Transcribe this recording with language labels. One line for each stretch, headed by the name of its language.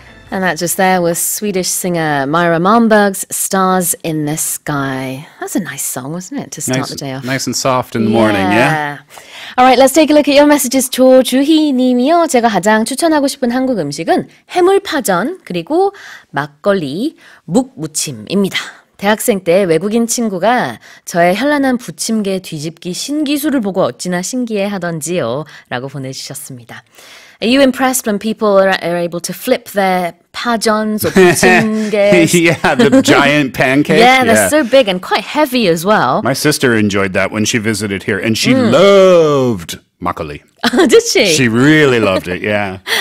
English: And that just there was Swedish singer Myra Malmberg's Stars in the Sky. That's a nice song, wasn't it, to start nice, the day off? Nice and soft in the morning, yeah? All right, let's take a look at your messages.
Korean: 조주희 님이요. 제가 가장 추천하고 싶은 한국 음식은 해물파전, 그리고 막걸리, 묵무침입니다. 대학생 때 외국인 친구가 저의 현란한 부침개 뒤집기 신기술을 보고 어찌나 신기해 하던지요. 라고 보내주셨습니다.
English: Are you impressed when people are able to flip their 파전s or 부침개s? Yeah, the giant pancakes. Yeah, they're so big and quite heavy as well. My sister enjoyed that when she visited here, and she loved makgeolli. Did she? She really loved it, yeah.